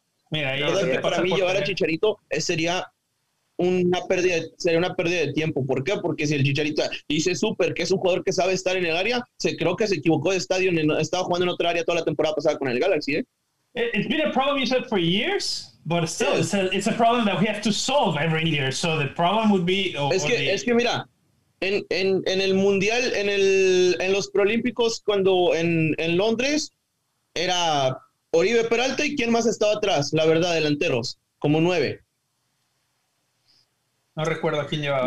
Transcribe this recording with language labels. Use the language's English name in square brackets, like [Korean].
[Spanish] Mira, que para mí llevar a Chicharito sería una pérdida de tiempo. ¿Por qué? Porque si el Chicharito dice súper que es un jugador que sabe estar en el área, creo que se equivocó de estadio, estaba jugando en otra área toda la temporada pasada con el Galaxy, ¿eh? [English] It's been a problem, you said, for years, but still, yes. it's a problem that we have to solve every year. So the problem would be... [Spanish] Mira, en el Mundial, en los Prolímpicos, cuando en Londres, era... Oribe Peralta, ¿y quién más estaba atrás? La verdad, delanteros, como 9. No recuerdo a quién llevaba.